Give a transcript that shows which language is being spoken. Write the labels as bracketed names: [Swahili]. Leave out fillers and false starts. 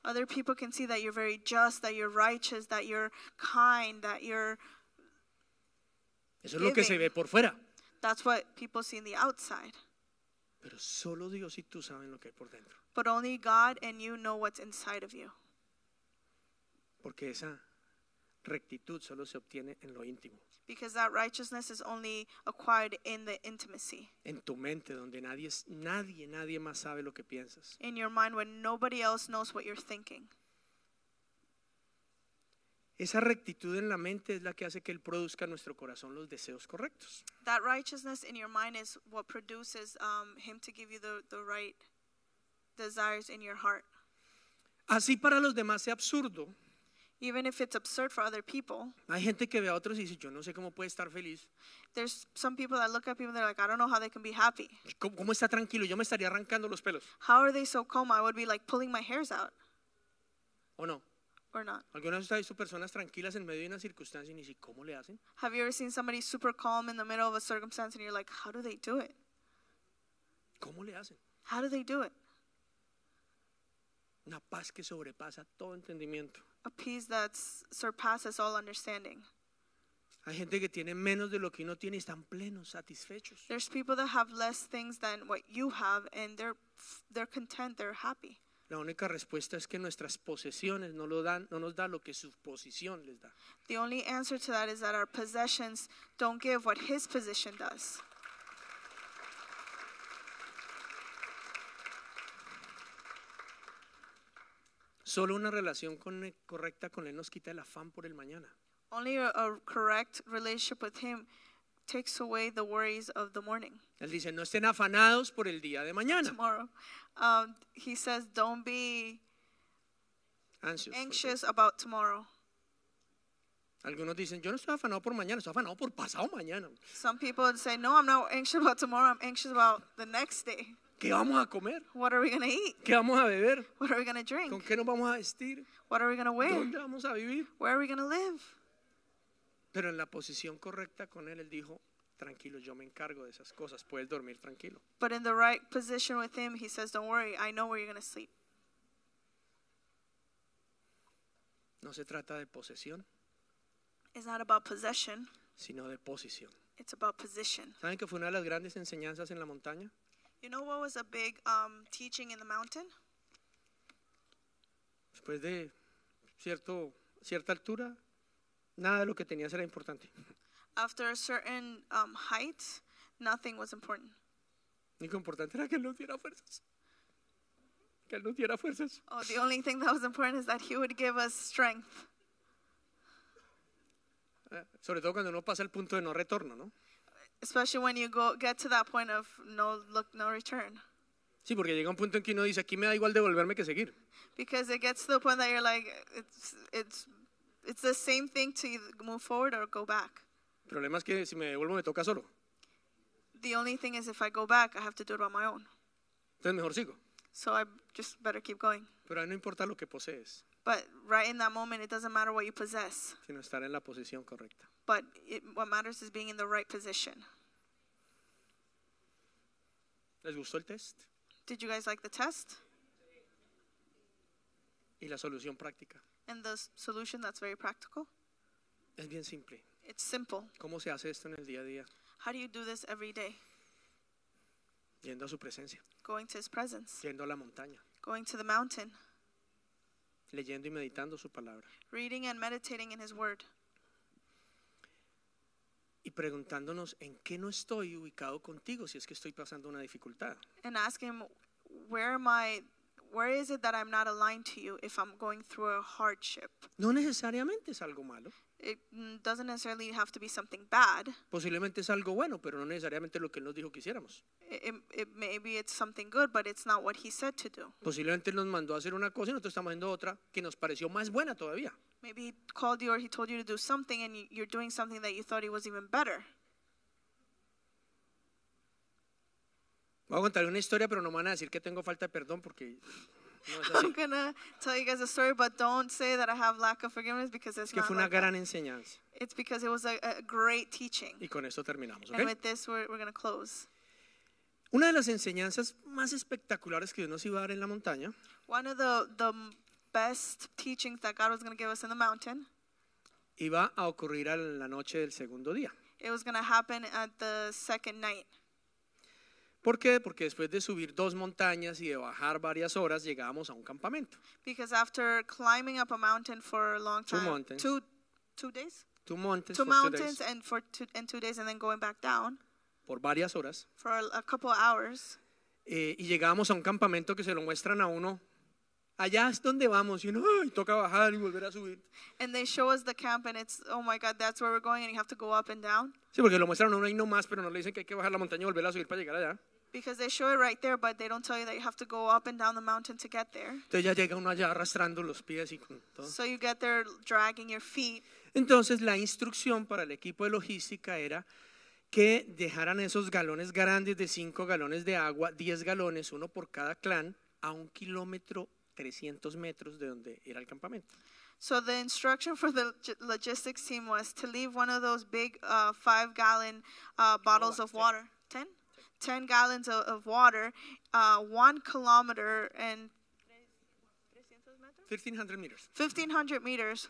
[English] Other people can see that you're very just, that you're righteous, that you're kind, that you're giving. [Spanish] Eso es lo que se ve por fuera. [English] That's what people see in the outside. [Spanish] Pero solo Dios y tú saben lo que hay por dentro. [English] But only God and you know what's inside of you. [Spanish] Porque esa rectitud solo se obtiene en lo íntimo. [English] Because that righteousness is only acquired in the intimacy. [Spanish] En tu mente, donde nadie más sabe lo que piensas. [English] In your mind, when nobody else knows what you're thinking. [Spanish] Esa rectitud en la mente es la que hace que él produzca en nuestro corazón los deseos correctos. [English] That righteousness in your mind is what produces him to give you the right desires in your heart. [Spanish] Así para los demás sea absurdo. [English] Even if it's absurd for other people. [Spanish] Hay gente que ve a otros y dice, yo no sé cómo puede estar feliz. [English] There's some people that look at people and they're like, I don't know how they can be happy. [Spanish] ¿Cómo está tranquilo? Yo me estaría arrancando los pelos. [English] How are they so calm? I would be like pulling my hairs out. [Spanish] ¿O no? [English] Or not. [Spanish] ¿Alguna vez has visto personas tranquilas en medio de una circunstancia y ni siquiera cómo le hacen? [English] Have you ever seen somebody super calm in the middle of a circumstance and you're like, how do they do it? [Spanish] ¿Cómo le hacen? [English] How do they do it? [Spanish] Una paz que sobrepasa todo entendimiento. [English] A peace that surpasses all understanding. [Spanish] Hay gente que tiene menos de lo que uno tiene y están plenos, satisfechos. [English] There's people that have less things than what you have and they're content, they're happy. [Spanish] La única respuesta es que nuestras posesiones no nos da lo que su posición les da. [English] The only answer to that is that our possessions don't give what his position does. [Spanish] Solo una relación correcta con él nos quita el afán por el mañana. [English] Only a correct relationship with him takes away the worries of the morning. [Spanish] Él dice, no estén afanados por el día de mañana. [English] Tomorrow. He says, don't be anxious about tomorrow. [Spanish] Algunos dicen, yo no estoy afanado por mañana, estoy afanado por pasado mañana. [English] Some people say, no, I'm not anxious about tomorrow, I'm anxious about the next day. [Spanish] ¿Qué vamos a comer? [English] What are we going to eat? [Spanish] ¿Qué vamos a beber? [English] What are we going to drink? [Spanish] ¿Con qué nos vamos a vestir? [English] What are we going to wear? [Spanish] ¿Dónde vamos a vivir? [English] Where are we going to live? [Spanish] Pero en la posición correcta con él, él dijo, tranquilo, yo me encargo de esas cosas, puedes dormir tranquilo. [English] But in the right position with him, he says, don't worry, I know where you're going to sleep. [Spanish] No se trata de posesión. [English] It's not about possession. [Spanish] Sino de posición. [English] It's about position. [Spanish] ¿Saben que fue una de las grandes enseñanzas en la montaña? [English] You know what was a big teaching in the mountain? [Spanish] Después de cierta altura, nada de lo que tenías era importante. [English] After a certain height, nothing was important. [Spanish] Lo único importante era que él nos diera fuerzas. Que él nos diera fuerzas. [English] Oh, the only thing that was important is that he would give us strength. [Spanish] Sobre todo cuando uno pasa el punto de no retorno, ¿no? [English] Especially when you get to that point of no return. [Spanish] Sí, porque llega un punto en que uno dice, aquí me da igual devolverme que seguir. [English] Because it gets to the point that you're like, it's the same thing to move forward or go back. [Spanish] El problema es que si me devuelvo me toca solo. [English] The only thing is if I go back, I have to do it on my own. [Spanish] Entonces mejor sigo. [English] So I just better keep going. [Spanish] Pero ahí no importa lo que posees. [English] But right in that moment, it doesn't matter what you possess. [Spanish] Sino estar en la posición correcta. [English] But what matters is being in the right position. [Spanish] ¿Les gustó el test? [English] Did you guys like the test? [Spanish] ¿Y la solución práctica? [English] And the solution that's very practical? [Spanish] Es bien simple. [English] It's simple. [Spanish] ¿Cómo se hace esto en el día a día? [English] How do you do this every day? [Spanish] Yendo a su presencia. [English] Going to his presence. [Spanish] Yendo a la montaña. [English] Going to the mountain. [Spanish] Leyendo y meditando su palabra. [English] Reading and meditating in his word. [Spanish] Y preguntándonos, ¿en qué no estoy ubicado contigo si es que estoy pasando una dificultad? [English] And asking, where is it that I'm not aligned to you if I'm going through a hardship? [Spanish] No necesariamente es algo malo. [English] It doesn't necessarily have to be something bad. [Spanish] Posiblemente es algo bueno, pero no necesariamente lo que él nos dijo que hiciéramos. [English] Maybe it's something good, but it's not what he said to do. [Spanish] Posiblemente nos mandó a hacer una cosa y nosotros estamos haciendo otra que nos pareció más buena todavía. [English] Maybe he called you or he told you to do something and you're doing something that you thought it was even better. [Spanish] Voy a contar una historia, pero no me van a decir que tengo falta de perdón porque... [English] I'm going to tell you guys a story, but don't say that I have lack of forgiveness because it's [Spanish] que [English] not [Spanish] fue una [English] like [Spanish] gran enseñanza. [English] It's because it was a great teaching. [Spanish] Y con esto terminamos, [English] okay? And with this, we're going to close. [Spanish] Una de las enseñanzas más espectaculares que Dios nos iba a dar en la montaña. [English] One of the best teachings that God was going to give us in the mountain. [Spanish] Iba a ocurrir a la noche del segundo día. [English] It was going to happen at the second night. [Spanish] ¿Por qué? Porque después de subir dos montañas y de bajar varias horas, llegábamos a un campamento. [English] Because after climbing up a mountain for a long time. Two mountains and two days and then going back down. [Spanish] Por varias horas. [English] For a couple of hours. [Spanish] Y llegábamos a un campamento que se lo muestran a uno. Allá es donde vamos. Y uno, ay, toca bajar y volver a subir. [English] And they show us the camp and it's, oh my God, that's where we're going and you have to go up and down. [Spanish] Sí, porque lo muestran uno ahí nomás, pero no le dicen que hay que bajar la montaña y volver a subir para llegar allá. [English] Because they show it right there, but they don't tell you that you have to go up and down the mountain to get there. [Spanish] Entonces ya llega uno allá arrastrando los pies y con todo. [English] So you get there dragging your feet. [Spanish] Entonces la instrucción para el equipo de logística era que dejaran esos galones grandes de 5 galones de agua, 10 galones, uno por cada clan, a 1 kilómetro, 300 metros de donde era el campamento. [English] So the instruction for the logistics team was to leave one of those big 5-gallon bottles of water. 10 gallons of water, 1 kilometer and 1,500 meters